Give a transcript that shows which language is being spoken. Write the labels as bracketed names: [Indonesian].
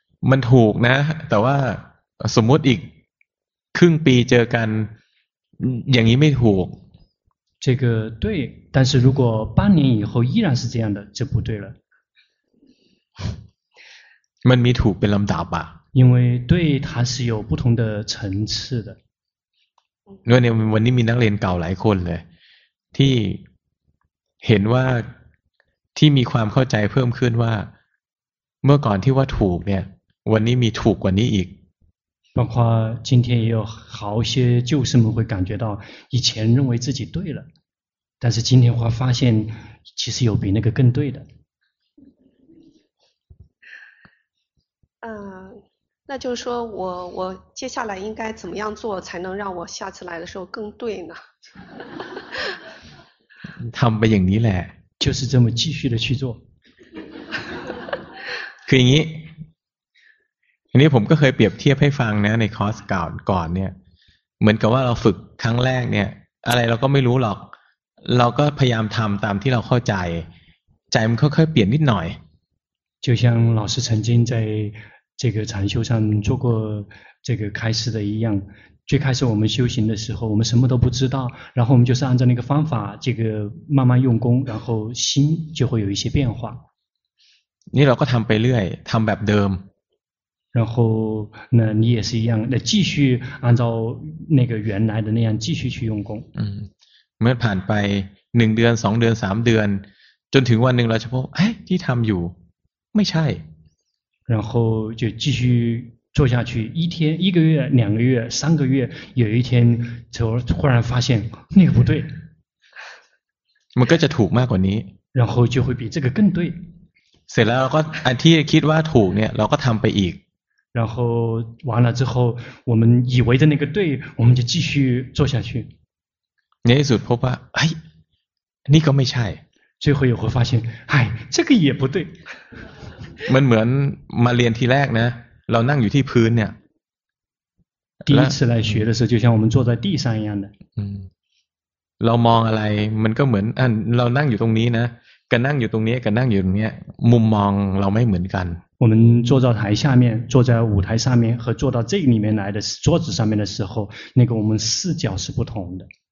[Thai] มันถูกนะแต่ว่าสมมติอีกครึ่งปีเจอกันอย่างนี้ไม่ถูก [Chinese] 这个对但是如果半年以后依然是这样的就不对了 [Thai] มันมีถูกเป็นลำดับอ่ะ [Chinese] 因为对它是有不同的层次的 [Thai] เนี่ยวันนี้มีนักเรียนเก่าหลายคนเลยที่เห็นว่าที่มีความเข้าใจเพิ่มขึ้นว่าเมื่อก่อนที่ว่าถูกเนี่ยวันนี้มีถูกกว่านี้อีก [Chinese] 包括今天也有好些旧师们会感觉到以前认为自己对了但是今天会发现其实有比那个更对的那就是说我接下来应该怎么样做才能让我下次来的时候更对呢 [Thai] ทำไปอย่างนี้แหละ [Chinese] 就是这么继续的去做 [Thai] คืออย่างนี้นี่ผมก็เคยเปรียบเทียบให้ฟังนะในคอร์สก่อนเนี่ยเหมือนกับว่าเราฝึกครั้งแรกเนี่ยอะไรเราก็ไม่รู้หรอกเราก็พยายามทำตามที่เราเข้าใจใจมันค่อยๆเปลี่ยนนิดหน่อย [Chinese] 就像老师曾经在这个禅修上做过这个开始的一样最开始我们修行的时候我们什么都不知道然后我们就是按照那个方法这个慢慢用功然后心就会有一些变化 [Thai] นี่เราก็ทำไปเรื่อยทำแบบเดิม [Chinese] 然后那你也是一样那继续按照那个原来的那样继续去用功 [Thai] เมื่อผ่านไป1เดือน2เดือน3เดือนจนถึงวันหนึ่งเราจะพบเอ๊ะที่ทำอยู่ไม่ใช่ [Chinese] 然后就继续做下去一天一个月两个月三个月有一天就忽然发现那个不对 [Thai] มันก็จะถูกมากกว่านี้ [Chinese] 然后就会比这个更对 [Thai] เสร็จแล้วเราก็อันที่คิดว่าถูกเนี่ยเราก็ทำไปอีก [Chinese] 然后完了之后我们以为的那个对我们就继续做下去 [Thai] ในสุดพบว่าเฮ้ยนี่ก็ไม่ใช่ [Chinese] 最后也会发现哎这个也不对 [Thai] มันเหมือนมาเรียนทีแรกนะเรานั่งอยู่ที่พื้นเนี่ย [Chinese] 第一次来学的时候就像我们坐在地上一样的 [Thai] เรามองอะไรมันก็เหมือนเรานั่งอยู่ตรงนี้นะกับนั่งอยู่ตรงนี้กับนั่งอยู่ตรงนี้มุมมองเราไม่เหมือนกัน [Chinese] 我们坐到台下面坐在舞台上面和坐到这里面来的桌子上面的时候那个我们视角是不同的